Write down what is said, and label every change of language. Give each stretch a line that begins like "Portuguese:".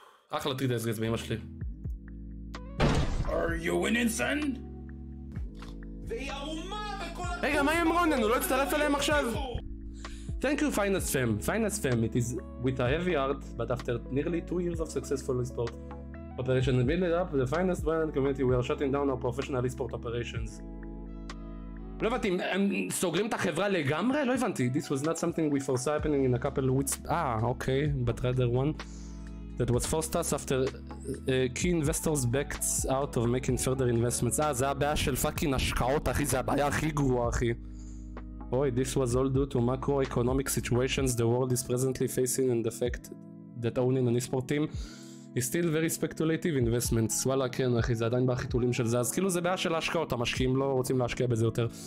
Hebrew: אחלה טרידה אסגז באמא שלי.
English: Are you winning, son?
Hebrew: רגע, מה עם רונן? הוא לא הצטרף אליהם עכשיו?
English: Thank you, Finance Fam. Finance Fam, it is with a heavy heart, but after nearly 2 years of successful e-sport operation and build it up, the finance brand and community, we are shutting down our professional e-sport operations.
Hebrew: לא הבנתי, הם סוגרים את החברה לגמרי? לא הבנתי.
English: This was not something we foresaw happening in a couple weeks. אוקיי, but rather one that was forced us after key investors backed out of making further investments.
Hebrew: זה הבעיה של פאקינג השקעות, אחי, זה הבעיה הכי גרועה, אחי.
English: Boy, this was all due to macroeconomic situations the world is presently facing and the fact that owning an e-sport team is still very speculative investments.
Hebrew: וואלה, כן, אחי, זה עדיין בחיתולים של זה, אז כאילו זה בעיה של ההשקעות, המשקיעים לא רוצים להשקיע בזה יותר.